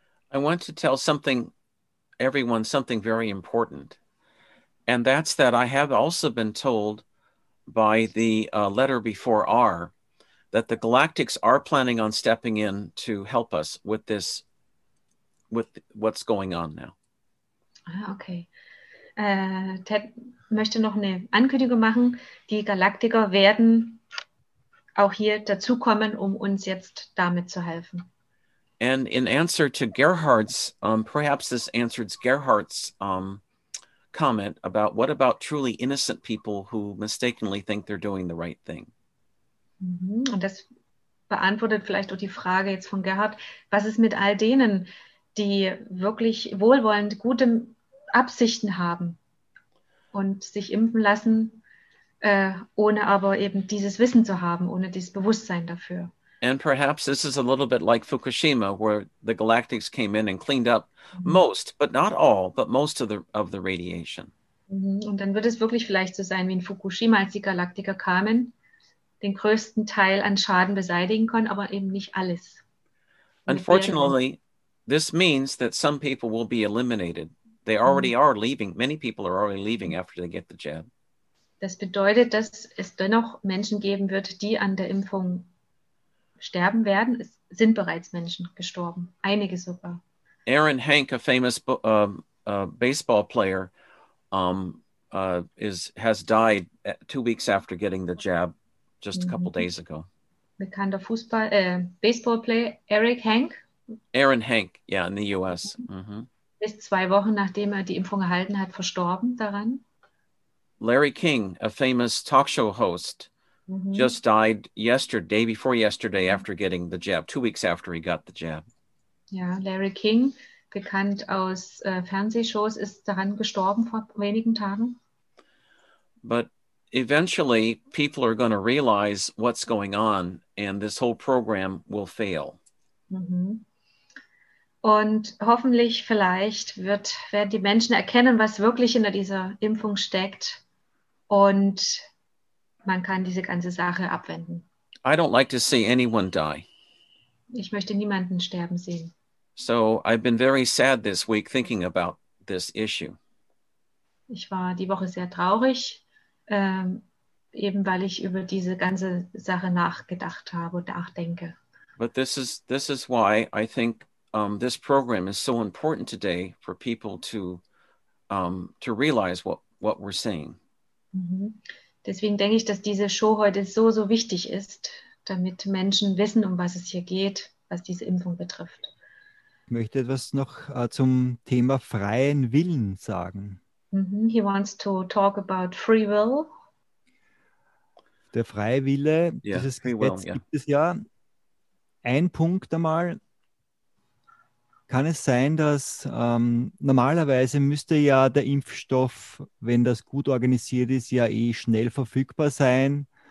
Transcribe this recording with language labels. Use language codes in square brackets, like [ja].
[en] I want to tell something, everyone, something very important. And that's that I have also been told by the letter before R that the Galactics are planning on stepping in to help us with this, with what's going on now. Okay. [de] Ted möchte noch eine Ankündigung machen. Die Galaktiker werden auch hier dazukommen, um uns jetzt damit zu helfen. [en] And in answer to Gerhard's, perhaps this answers Gerhard's comment about what about truly innocent people who mistakenly think they're doing the right thing. Mm-hmm. [de] Und das beantwortet vielleicht auch die Frage jetzt von Gerhard. Was ist mit all denen, die wirklich wohlwollend gute Absichten haben und sich impfen lassen, ohne aber eben dieses Wissen zu haben, ohne dieses Bewusstsein dafür? [en] And perhaps this is a little bit like Fukushima, where the Galactics came in and cleaned up most, but not all, but most of the radiation. [de] Und dann wird es wirklich vielleicht so sein wie in Fukushima, als die Galaktiker kamen, den größten Teil an Schaden beseitigen konnten, aber eben nicht alles. [en] Unfortunately, this means that some people will be eliminated. They already are leaving. Many people are already leaving after they get the jab. [de] Das bedeutet, dass es dennoch Menschen geben wird, die an der Impfung sterben werden. Es sind bereits Menschen gestorben, einige sogar. [en] Aaron Hank, a famous baseball player, has died 2 weeks after getting the jab, just a couple days ago. [de] Bekannter Fußball, [en] baseball player [de] Eric Hank. [en] Aaron Hank, yeah, in the U.S. Mm-hmm. [de] Ist 2 Wochen nachdem er die Impfung erhalten hat verstorben daran. [en] Larry King, a famous talk show host. Mm-hmm. Just died yesterday, day before yesterday, after getting the jab, 2 weeks after he got the jab. [de] Ja, Larry King, bekannt aus Fernsehshows, ist daran gestorben vor wenigen Tagen. [en] But eventually people are going to realize what's going on and this whole program will fail. Mm-hmm. [de] Und hoffentlich vielleicht werden die Menschen erkennen, was wirklich hinter dieser Impfung steckt und man kann diese ganze Sache abwenden. [en] I don't like to see anyone die. [de] Ich möchte niemanden sterben sehen. [en] So I've been very sad this week thinking about this issue. [de] Ich war die Woche sehr traurig, eben weil ich über diese ganze Sache nachgedacht habe und nachdenke. [en] But this is why I think this program is so important today for people to realize what we're saying. Mm-hmm. [de] Deswegen denke ich, dass diese Show heute so, so wichtig ist, damit Menschen wissen, um was es hier geht, was diese Impfung betrifft. Ich möchte etwas noch zum Thema freien Willen sagen. Mm-hmm. [en] He wants to talk about free will. [de] Der freie Wille, dieses Gesetz gibt es ja. Ein Punkt einmal, kann es sein, dass normalerweise müsste ja der Impfstoff, wenn das gut organisiert ist, ja eh schnell verfügbar sein.